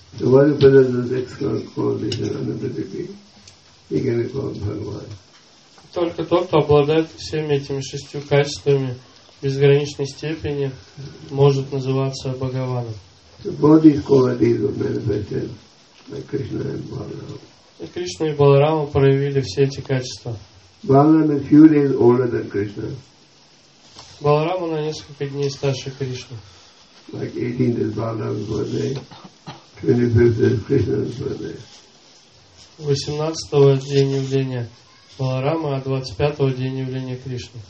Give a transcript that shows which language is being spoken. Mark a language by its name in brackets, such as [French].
[English] The one who has this excellent quality and ability, he can be called Bhagavan. [Russian] Только тот, кто обладает всеми этими шестью качествами безграничной степени, может называться Бхагаваном. [English] So both these qualities were manifested by Krishna and Balarama. [Russian] И Кришна и Баларама проявили все эти качества. [English] Balarama a few days older than Krishna. [Russian] Баларама на несколько дней старше Кришны. [English] Like 18th is Balarama's birthday, 25th is Krishna's birthday. [Russian] 18th день явления Баларама, а 25th день явления Кришны.